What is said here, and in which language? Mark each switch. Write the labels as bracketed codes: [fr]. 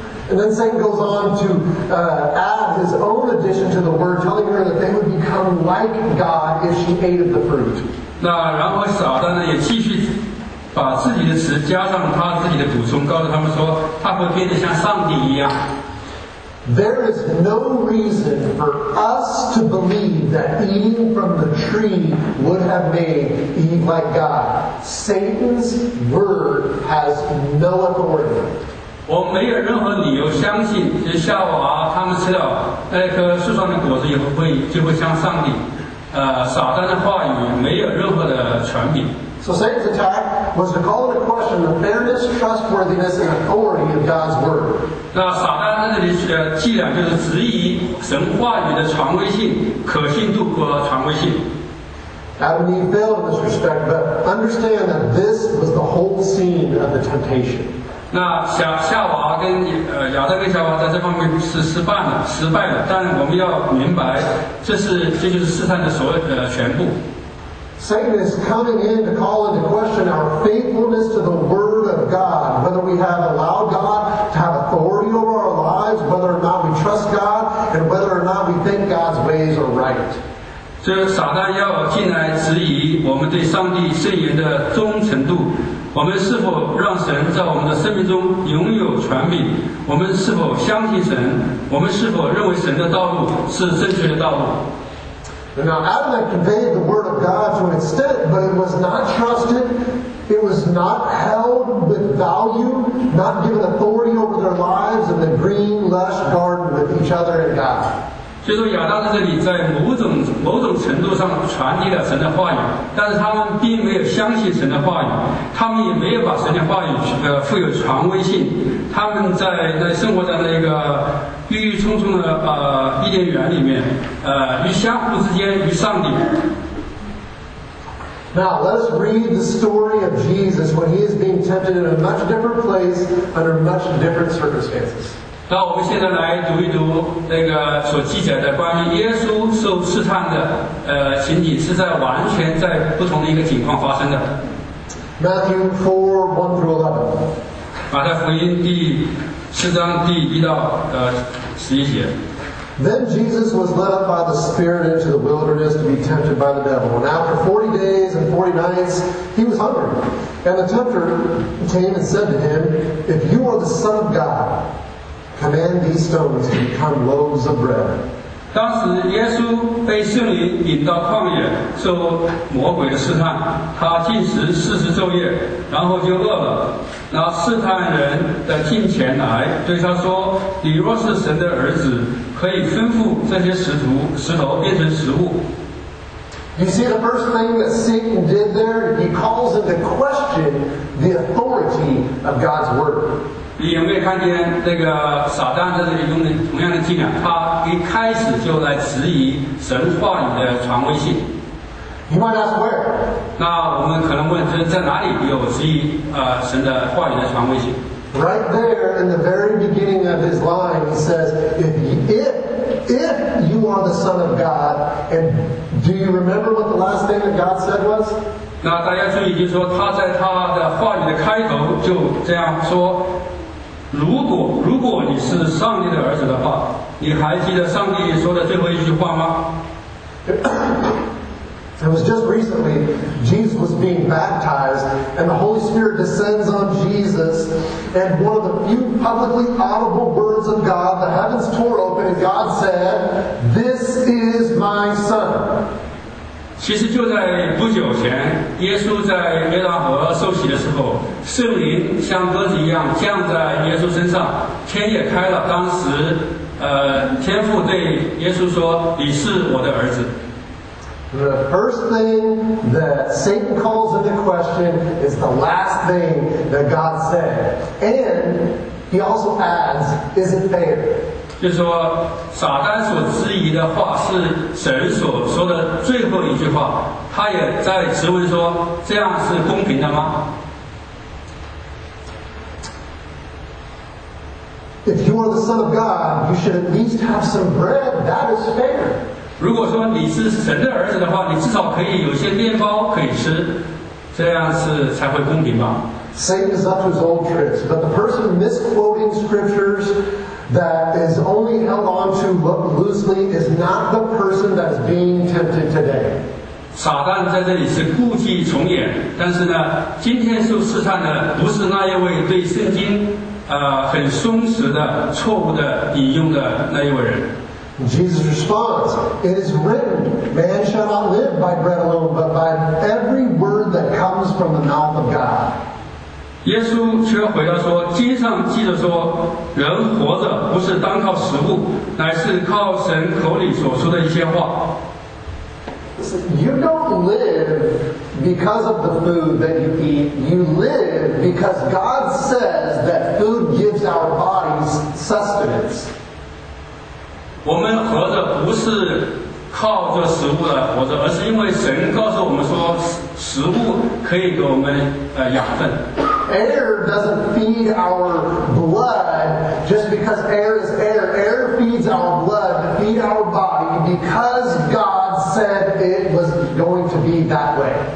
[en] And then Satan goes on to add his own addition to the word, telling her that they would become like God if she ate of the fruit. [zh] 那然后撒旦呢也继续把自己的词加上他自己的补充，告诉他们说他会变得像上帝一样。 [en] There is no reason for us to believe that eating from the tree would have made Eve like God. Satan's word has no authority. [zh] 我没有任何理由相信夏娃他们吃了那棵树上的果子以后就会像上帝。撒旦的话语没有任何的权柄。 [en] So Satan's attack was to call into question the fairness, trustworthiness, and authority of God's word. [zh] 那撒旦在这里的伎俩就是质疑神话语的权威性、可信度和权威性。 [en] Adam and Eve failed in this respect, but understand that this was the whole scene of the temptation. [zh] 那夏娃跟亚当跟夏娃在这方面是失败了，但我们要明白，这就是试探的所有的全部。 [en] Satan is coming in to call into question our faithfulness to the word of God, whether we have allowed God to have authority over our lives, whether or not we trust God, and whether or not we think God's ways are right. [zh] 这撒旦要进来质疑我们对上帝圣言的忠诚度，我们是否让神在我们的生命中拥有权柄，我们是否相信神，我们是否认为神的道路是正确的道路。 [en] Now Adam had conveyed the word of God to an extent, but it was not trusted, it was not held with value, not given authority over their lives in the green, lush garden with each other and God. [zh] 就是亚当在这里在某种程度上传递了神的话语，但是他们并没有相信神的话语，他们也没有把神的话语富有权威性，他们在生活在那个郁郁葱葱的伊甸园里面，与相互之间与上帝。 [en] Now, let us read the story of Jesus when he is being tempted in a much different place, under much different circumstances. [zh] 那我们现在来读一读那个所记载的关于耶稣受试探的情景，是在完全在不同的一个情况发生的。 [en] Matthew 4:1-11. [zh] 马太福音第四章第一到十一节。 [en] Then Jesus was led up by the Spirit into the wilderness to be tempted by the devil. And after 40 days and 40 nights, he was hungry. And the tempter came and said to him, If you are the Son of God, command these stones to become loaves of bread. [zh] 当时耶稣被圣灵引到旷野受魔鬼的试探，他禁食40昼夜，然后就饿了。那试探人的近前来对他说，你若是神的儿子，可以吩咐这些石头变成食物。 [en] You see the first thing that Satan did there, he calls into question the authority of God's word. [zh] 你有没有看见那个撒旦在这里用的同样的伎俩，他一开始就来质疑神话语的权威性。 [en] You might ask where? [zh] 那我们可能问，就是在哪里有质疑神的话语的权威性？ [en] Right there in the very beginning of his line, he says, if you are the Son of God, and do you remember what the last thing that God said was? [zh] 那大家注意，就是说他在他的话语的开头就这样说，如果你是上帝的儿子的话，你还记得上帝说的最后一句话吗？ [en] It was just recently Jesus was being baptized and the Holy Spirit descends on Jesus and one of the few publicly audible words of God, the heavens tore open and God said, This is my son. [zh] 其实就在不久前，耶稣在约旦河受洗的时候，圣灵像鸽子一样降在耶稣身上，天也开了，当时天父对耶稣说，你是我的儿子。 [en] The first thing that Satan calls into question is the last thing that God said. And he also adds, is it fair? [zh] 就是说撒旦所质疑的话是神所说的最后一句话，他也在质问说，这样是公平的吗？ [en] If you are the Son of God, you should at least have some bread. That is fair. [zh] 如果说你是神的儿子的话，你至少可以有些面包可以吃，这样是才会公平吧。 [en] Satan is up to his old tricks, but the person misquoting scriptures that is only held on to loosely is not the person that's being tempted today. [zh] 撒旦在这里是故伎重演，但是呢，今天受试探的不是那一位对圣经很松弛的错误的引用的那一位人。 [en] Jesus responds, It is written, man shall not live by bread alone, but by every word that comes from the mouth of God. [zh] 耶稣却回答说，经上记着说，人活着不是单靠食物，乃是靠神口里所说的一些话。 [en] You don't live because of the food that you eat. You live because God says that food gives our bodies sustenance. [zh] 我们活着不是靠着食物来活着，而是因为神告诉我们说，食物可以给我们养分。 [en] Air doesn't feed our blood just because air is air. Air feeds our blood to feed our body because God said it was going to be that way.